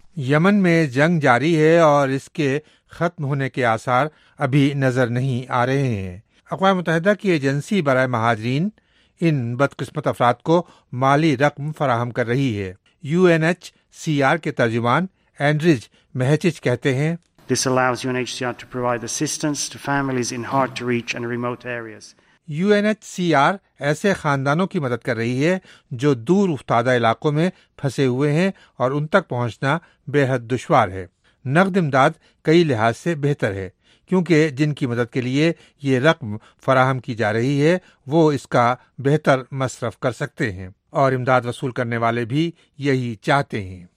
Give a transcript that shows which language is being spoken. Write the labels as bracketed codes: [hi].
[ur] یمن میں جنگ جاری ہے اور اس کے ختم ہونے کے آثار ابھی نظر نہیں آ رہے ہیں. اقوام متحدہ کی ایجنسی برائے مہاجرین ان بدقسمت افراد کو مالی رقم فراہم کر رہی ہے. You N H C R کے ترجمان اینڈریج مہچچ کہتے ہیں [en] This allows UNHCR to provide assistance to families in hard to reach and remote areas. [ur] You N H C R ایسے خاندانوں کی مدد کر رہی ہے جو دور افتادہ علاقوں میں پھنسے ہوئے ہیں اور ان تک پہنچنا بے حد دشوار ہے. نقد امداد کئی لحاظ سے بہتر ہے کیونکہ جن کی مدد کے لیے یہ رقم فراہم کی جا رہی ہے وہ اس کا بہتر مصرف کر سکتے ہیں اور امداد وصول کرنے والے بھی یہی چاہتے ہیں.